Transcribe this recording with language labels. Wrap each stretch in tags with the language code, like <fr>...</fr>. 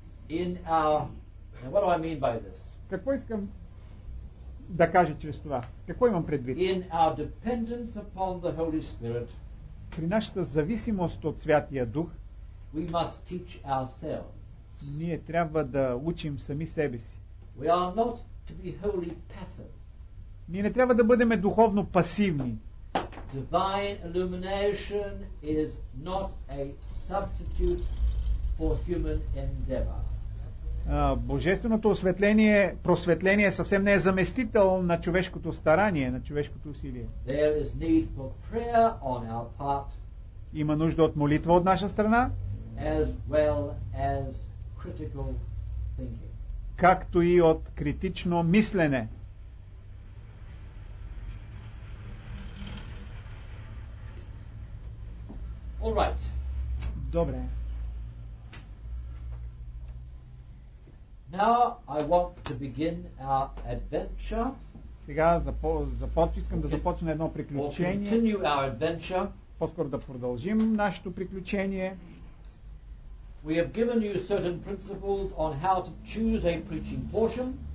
<en>In our, now what do I mean by this?</en> <bg>Какво искам да кажа чрез това? Какво имам предвид?</bg> <en>In our dependence upon the Holy Spirit,</en> <bg>при нашата зависимост от Святия Дух,</bg> <en>we must teach ourselves.</en> <bg>Ние трябва да учим сами себе си.</bg> <en>We are not to be wholly passive.</en> <bg>Ние не трябва да бъдем духовно пасивни.</bg> <en>Divine illumination is not a substitute for human endeavor.</en> <bg>Божественото осветление, просветление съвсем не е заместител на човешкото старание, на човешкото усилие.</bg> <en>There is need for prayer on our part.</en> <bg>Има нужда от молитва от наша страна,</bg> <en>as well as critical thinking.</en> <bg>Както и от критично мислене.</bg> <en>All right.</en> <bg>Добре.</bg> <en>Now I want to begin our adventure.</en> <bg>Сега искам да започна едно приключение.</bg> <en>We'll continue our adventure.</en> <bg>По-скоро да продължим нашето приключение.</bg> <en>We have given you certain principles on how to choose a preaching portion.</en>